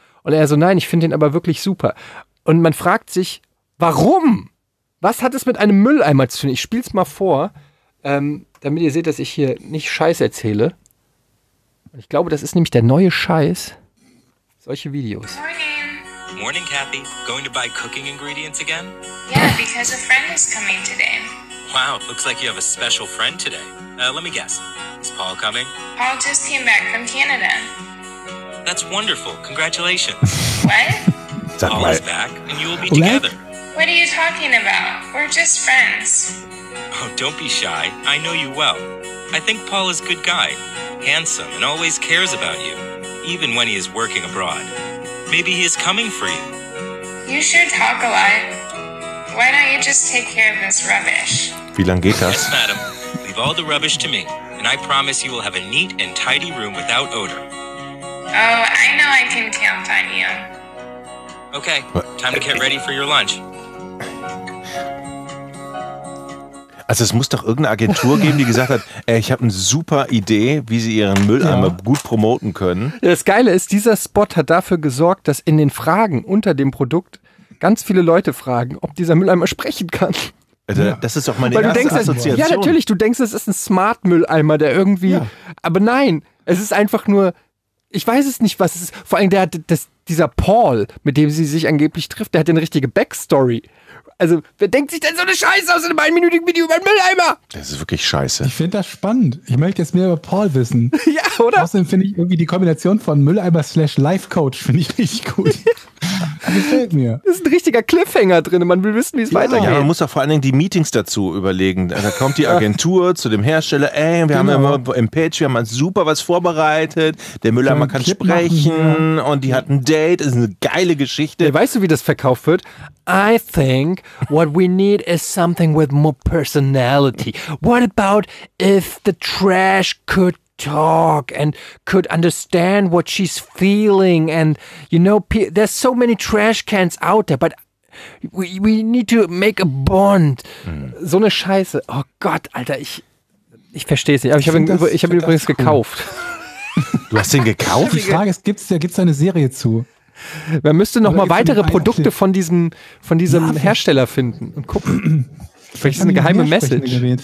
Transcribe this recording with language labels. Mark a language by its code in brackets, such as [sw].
[de] Und er so, nein, ich finde ihn aber wirklich super. Und man fragt sich, warum? Was hat es mit einem Mülleimer zu tun? Ich spiele es mal vor, damit ihr seht, dass ich hier nicht Scheiß erzähle. Und ich glaube, das ist nämlich der neue Scheiß. Solche Videos. Morning. [en] Morning, Kathy. Going to buy cooking ingredients again? Yeah, because a friend is coming today. Wow, looks like you have a special friend today. Let me guess. Is Paul coming? Paul just came back from Canada. That's wonderful. Congratulations. What? Paul is back, and you will be together. What are you talking about? We're just friends. Oh, don't be shy. I know you well. I think Paul is a good guy, handsome, and always cares about you, even when he is working abroad. Maybe he is coming for you. You sure talk a lot. Why don't you just take care of this rubbish? [de] Wie lange geht das? [en] Yes, madam. Leave all the rubbish to me, and I promise you will have a neat and tidy room without odor. Oh, I know I can count on you. Okay, time to get ready for your lunch. [de] Also es muss doch irgendeine Agentur geben, die gesagt hat, ey, ich habe eine super Idee, wie sie ihren Mülleimer gut promoten können. Das Geile ist, dieser Spot hat dafür gesorgt, dass in den Fragen unter dem Produkt ganz viele Leute fragen, ob dieser Mülleimer sprechen kann. Also, das ist doch meine erste Assoziation. Ja, natürlich, du denkst, es ist ein Smart-Mülleimer, der irgendwie, aber nein, es ist einfach nur, ich weiß es nicht, was es ist. Vor allem dieser Paul, mit dem sie sich angeblich trifft, der hat eine richtige Backstory. Also, wer denkt sich denn so eine Scheiße aus in einem einminütigen Video über einen Mülleimer? Das ist wirklich scheiße. Ich finde das spannend. Ich möchte jetzt mehr über Paul wissen. Ja, oder? Außerdem finde ich irgendwie die Kombination von Mülleimer / Lifecoach finde ich richtig gut. Gefällt mir. Das ist ein richtiger Cliffhanger drin. Man will wissen, wie es weitergeht. Ja, man muss auch vor allen Dingen die Meetings dazu überlegen. Da kommt die Agentur zu dem Hersteller. Ey, wir haben ja im Pitch, wir haben super was vorbereitet. Der Mülleimer kann sprechen. Und die hat ein Date. Das ist eine geile Geschichte. Ja, weißt du, wie das verkauft wird? [en] I think what we need is something with more personality. What about if the trash could talk and could understand what she's feeling? And, you know, there's so many trash cans out there, but we need to make a bond. [de] So eine Scheiße. Oh Gott, Alter, ich verstehe es nicht. Aber ich hab ihn übrigens cool. gekauft. Du hast ihn gekauft? Die Frage ist, gibt's da eine Serie zu? Man müsste noch mal weitere Produkte von diesem Hersteller finden und gucken. Vielleicht ist eine geheime Message.